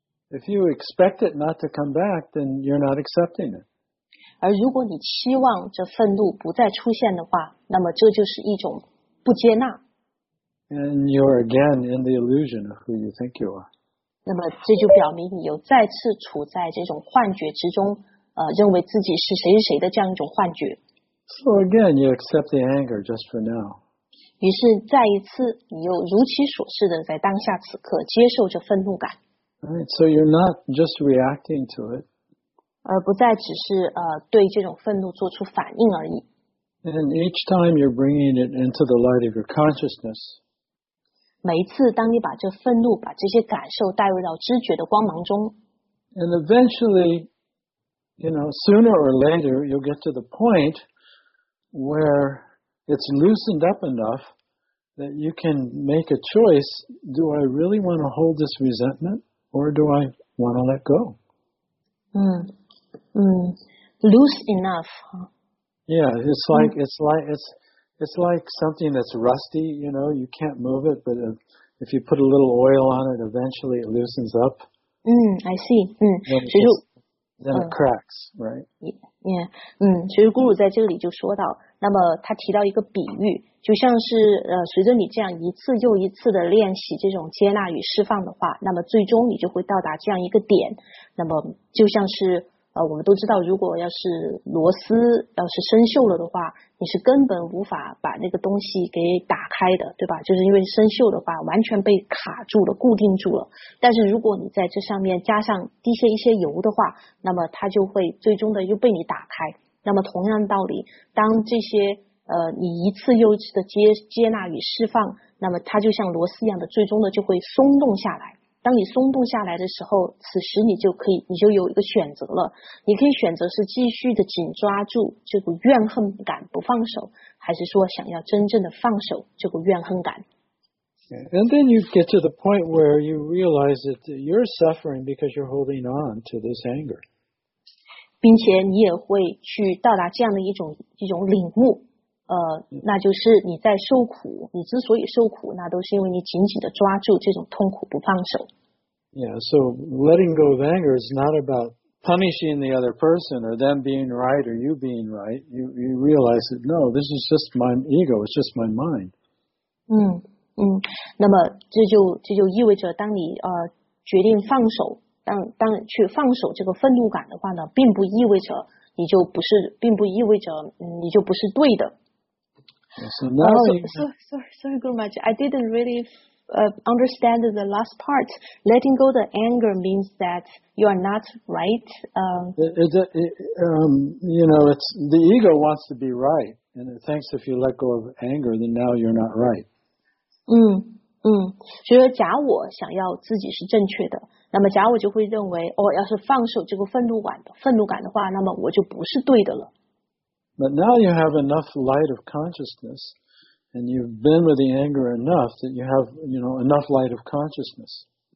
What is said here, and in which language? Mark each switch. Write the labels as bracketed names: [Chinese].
[English] If you expect it not to come back, then you're not accepting it. [Chinese] 而如果你期望这愤怒不再出现的话，那么这就是一种不接纳。 [English] And you're again in the illusion of who you think you are. [Chinese] 那么这就表明你又再次处在这种幻觉之中，认为自己是谁谁的这样一种幻觉。 [English] So again, you accept the anger just for now. [Chinese] 于是再一次你又如其所示的在当下此刻接受着愤怒感。 [English] Right, so you're not just reacting to it. [Chinese] 而不再只是对这种愤怒做出反应而已。 [English] And each time you're bringing it into the light of your consciousness, [Chinese] 每一次当你把这愤怒把这些感受带入到知觉的光芒中。 [English] And eventually, you know, sooner or later, you'll get to the point where it's loosened up enough that you can make a choice, do I really want to hold this resentment or do I want to let go? Loose enough. Yeah, it's like something that's rusty, you know, you can't move it, but if you put a little oil on it, eventually it loosens up. I see. Then it cracks, right? Yeah. [Chinese] 其实 Guru 在这里就说到，那么他提到一个比喻，就像是随着你这样一次又一次的练习这种接纳与释放的话，那么最终你就会到达这样一个点，那么就像是我们都知道，如果要是螺丝要是生锈了的话，你是根本无法把那个东西给打开的，对吧？就是因为生锈的话完全被卡住了，固定住了。但是如果你在这上面加上滴些一些油的话，那么它就会最终的又被你打开。那么同样道理，当这些你一次又一次的接纳与释放，那么它就像螺丝一样的最终的就会松动下来。当你松动下来的时候，此时你就可以，你就有一个选择了。你可以选择是继续的紧抓住这股怨恨感不放手，还是说想要真正的放手这股怨恨感。 [English] And then you get to the point where you realize that you're suffering because you're holding on to this anger. [Chinese] 并且你也会去到达这样的一种领悟，那就是你在受苦，你之所以受苦，那都是因为你紧紧的抓住这种痛苦不放手。 [English] Yeah, so letting go of anger is not about punishing the other person or them being right or you being right. You realize that, no, this is just my ego, it's just my mind. [Chinese] 那么这就意味着当你决定放手，当去放手这个愤怒感的话呢，并不意味着你就不是对的。 [English] So sorry, Guru Maharaj, I didn't really understand the last part. Letting go the anger means that you are not right. It's the ego wants to be right, and it thinks if you let go of anger, then now you're not right. [Chinese] 所以说假我想要自己是正确的，那么假我就会认为，哦，要是放手这个愤怒感的话，那么我就不是对的了。 [English] But now you have enough light of consciousness, and you've been with the anger enough that you have, you know, enough light of consciousness.